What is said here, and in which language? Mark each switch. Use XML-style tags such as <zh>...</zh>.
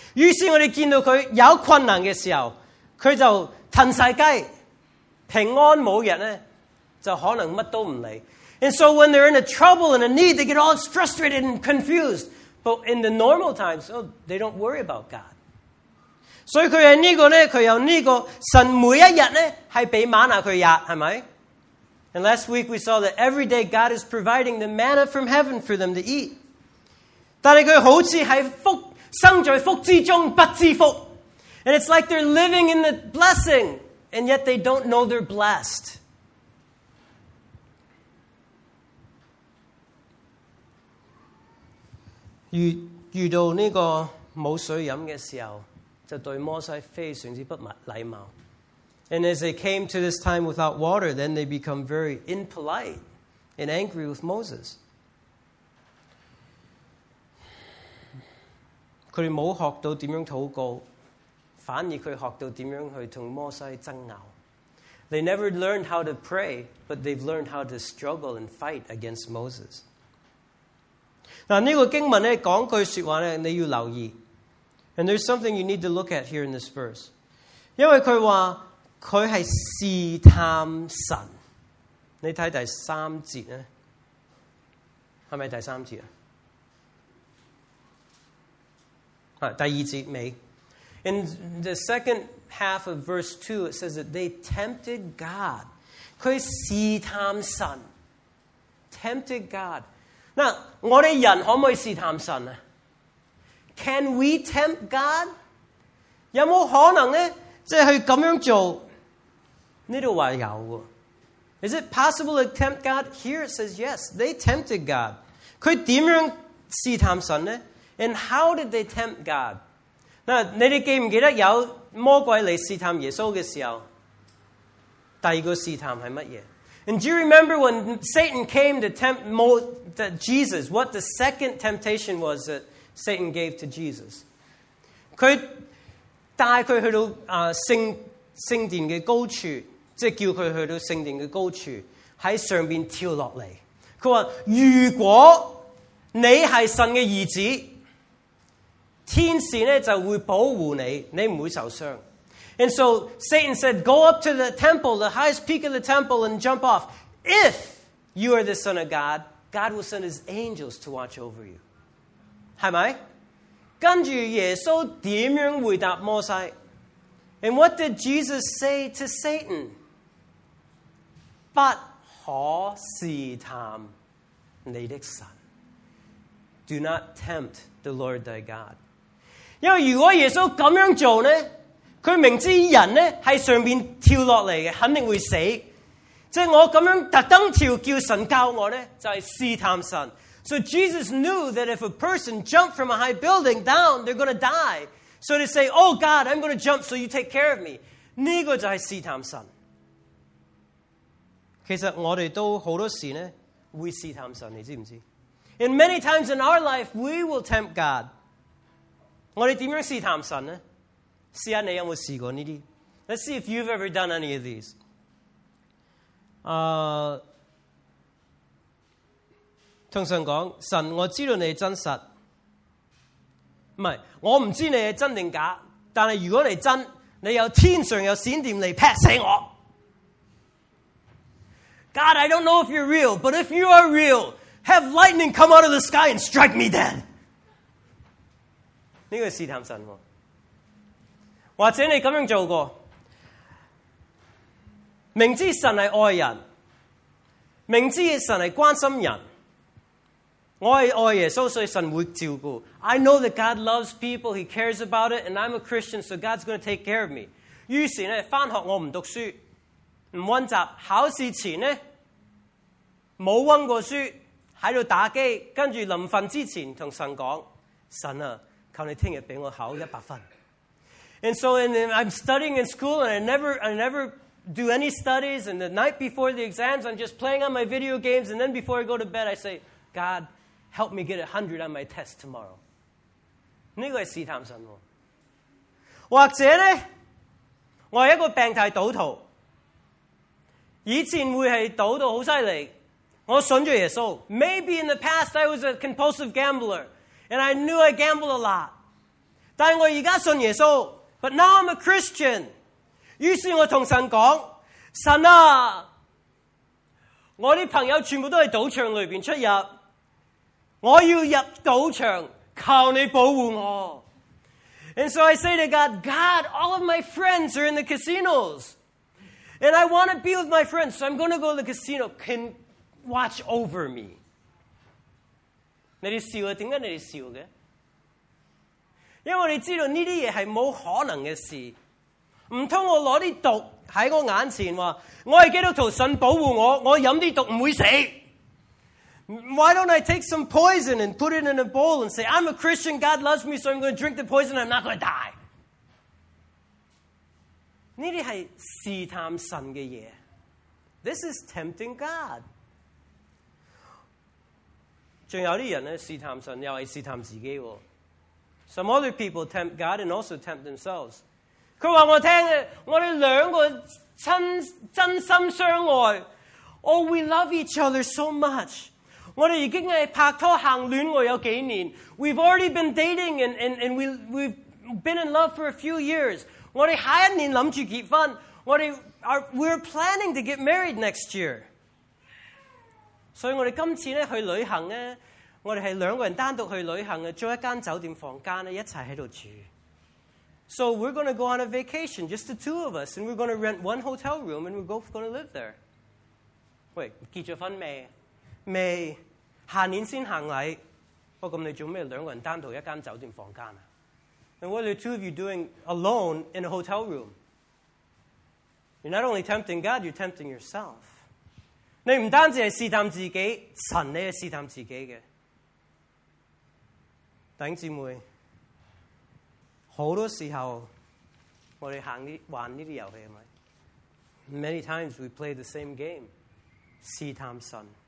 <zh>於是我哋見到佢有困難嘅時候，佢就騰曬雞，平安冇日呢，就可能乜都唔理。</zh> <en>And so when they're in a trouble and a need, they get all frustrated and confused. But in the normal times, oh, they don't worry about God. So he has this one, he has this one.</en> <zh>神每一日呢，是给玛拿他压，是吗？</zh> <en>And last week we saw that every day God is providing the manna from heaven for them to eat.</en> <zh>但是他好像是福，生在福之中，不知福。</zh> <en>And it's like they're living in the blessing, and yet they don't know they're blessed.</en> <zh>遇到呢个冇水饮嘅时候，就对摩西非常之不礼貌。</zh> <en>And as they came to this time without water, then they become very impolite and angry with Moses.</en> <zh>佢哋冇学到点样祷告，反而佢学到点样去同摩西争拗。</zh> <en>They never learned how to pray, but they've learned how to struggle and fight against Moses.</en> <zh>这个经文讲句说话你要留意。</zh> <en>And there's something you need to look at here in this verse.</en> <zh>因为他说他是试探神。你看第三节呢，是不是第三节？第二节尾。</zh> <en>In the second half of verse 2, it says that they tempted God.</en> <zh>他试探神。</zh> <en>Tempted God.</en> <zh>那我哋人可唔可以试探神啊</zh> <en>？Can we tempt God？</en> <zh>有冇可能咧？即系去咁样做？呢度话有喎。</zh> <en>Is it possible to tempt God？ Here it says yes. They tempted God.</en> <zh>佢点样试探神咧</zh> <en>？And how did they tempt God？</en> <zh>嗱，你哋记唔记得有魔鬼嚟试探耶稣嘅时候？第二个试探系乜嘢？</zh> <en>And do you remember when Satan came to tempt Jesus, what the second temptation was that Satan gave to Jesus?</en> <zh>他带他去到圣殿的高处，即是叫他去到圣殿的高处，在上面跳下来。他说，如果你是神的儿子，天使呢就会保护你，你不会受伤。</zh> <en>And so Satan said, go up to the temple, the highest peak of the temple, and jump off. If you are the son of God, God will send his angels to watch over you.</en> <zh>是吗？跟着耶稣怎样回答摩西？</zh> <en>And what did Jesus say to Satan?</en> <zh>不可试探你的神。</zh> <en>Do not tempt the Lord thy God.</en> <zh>因为如果耶稣这样做呢，他明知人呢是上面跳下来的，肯定会死。即是我这样特登跳叫神教我呢，就是试探神。</zh> <en>So Jesus knew that if a person jumped from a high building down, they're going to die. So to say, oh God, I'm going to jump so you take care of me.</en> <zh>这个就是试探神。其实我们都很多时呢，会试探神，你知不知道？</zh> <en>And many times in our life, we will tempt God.</en> <zh>我们怎样试探神呢？试下你有冇试过呢啲</zh> <en>？Let's see if you've ever done any of these.</en> <zh>通常讲神，我知道你真实，唔系，我唔知你系真定假，但系如果你真，你有天上有闪电嚟劈死我。</zh> <en>God, I don't know if you're real, but if you are real, have lightning come out of the sky and strike me dead.</en> <zh>呢个试探神，或者你咁样做过，明知神系爱人，明知神系关心人。我是爱耶稣，所以神会照顾。</zh> <en>I know that God loves people, He cares about it, and I'm a Christian, so God's going to take care of me.</en> <zh>于是呢，翻学我唔读书，唔温习，考试前呢，冇温过书，喺度打机，跟住临瞓之前同神讲：神啊，求你听日俾我考100分。</zh> <en>And so, and I'm studying in school, and I never do any studies. And the night before the exams, I'm just playing on my video games. And then before I go to bed, I say, God. Help me get 100 on my test tomorrow.</en> <zh>这个是试探神。或者呢，我是一个病态赌徒，以前会是赌到很犀利，我信了耶稣。</zh> <en>Maybe in the past I was a compulsive gambler, and I knew I gambled a lot.</en> <zh>但我现在信耶稣。</zh> <en>But now I'm a Christian.</en> <zh>于是我跟神讲，神啊，我的朋友全部都在赌场里面出入。我要入赌场，求你保护我。</zh> <en>And so I say to God, God, all of my friends are in the casinos. And I want to be with my friends, so I'm going to go to the casino. Can watch over me.</en> <zh>你哋笑啊？点解你哋笑嘅？因为你知道呢啲嘢系冇可能嘅事。唔通我攞啲毒喺我眼前话，我系基督徒，神保护我，我饮啲毒唔会死。</zh> <en>Why don't I take some poison and put it in a bowl and say, I'm a Christian, God loves me, so I'm going to drink the poison and I'm not going to die.</en> <zh>这些是试探神的东西。</zh> <en>This is tempting God.</en> <zh>还有些人试探神，又是试探自己。</zh> <en>Some other people tempt God and also tempt themselves.</en> <zh>他说我听，我们两个真心相爱。</zh> <en>Oh, we love each other so much.</en> <zh>我哋已经系拍拖行恋爱有几年</zh> <en>，we've already been dating and we've been in love for a few years。</en> <zh>我哋下一年谂住结婚，我哋</zh> <en>we're planning to get married next year。</en> <zh>所以我哋今次咧去旅行咧，我哋系两个人单独去旅行嘅，租一间酒店房间咧，一齐喺度住。</zh> <en>So we're going to go on a vacation, just the two of us, and we're going to rent one hotel room and we're both going to live there。</en> <zh>喂，结咗婚未？未，下年先行禮。不過你做咩兩個人單獨一間酒店房間啊？</zh> <en>And what are the two of you doing alone in a hotel room? You're not only tempting God, you're tempting yourself.</en> <zh>你唔單止係試探自己，神你係試探自己嘅。弟兄姊妹，好多時候我哋玩呢啲遊戲係咪？</zh> <en>Many times we play the same game,</en> <zh>試探神。</zh>